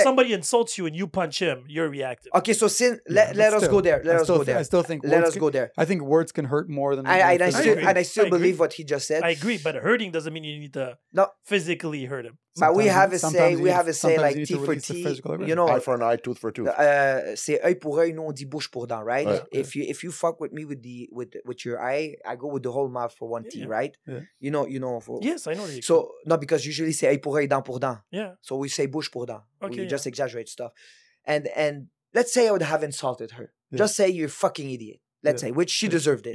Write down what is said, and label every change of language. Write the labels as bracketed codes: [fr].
[en] But if somebody insults you and you punch him, you're reactive. Okay, so let us go there. Let us go there. I still think let us go there. I think words can hurt more than and I still believe what he just said. I agree, but hurting doesn't mean you need to physically hurt him. But we have a say like T for T. Eye for an eye, tooth for a tooth. [fr] C'est œil pour œil, nous on dit bouche pour dent, [en] right? Yeah. If you fuck with me with your eye, I go with the whole mouth for one teeth, right? Yeah. You know. For, yes, I know. So no, because usually say [fr] œil pour œil, dent pour dent. [en] Yeah. So we say [fr] bouche pour dent. [en] Okay. We just exaggerate stuff, and let's say I would have insulted her. Yeah. Just say you're a fucking idiot. Let's say, which she deserved it.